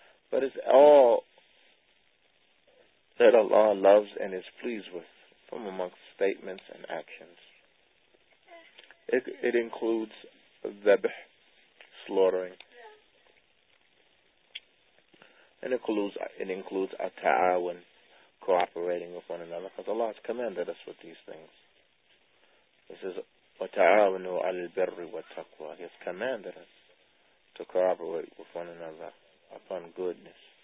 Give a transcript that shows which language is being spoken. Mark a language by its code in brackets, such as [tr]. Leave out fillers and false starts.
[en] But it's all that Allah loves and is pleased with from amongst statements and actions. It includes dhabh, slaughtering. And it includes ata'awun, cooperating with one another, because Allah has commanded us with these things. This is [ar] وَتَعَاوَنُوا عَلِ الْبِرِّ وَالتَّقْوَى. [en] He has commanded us to cooperate with one another upon goodness.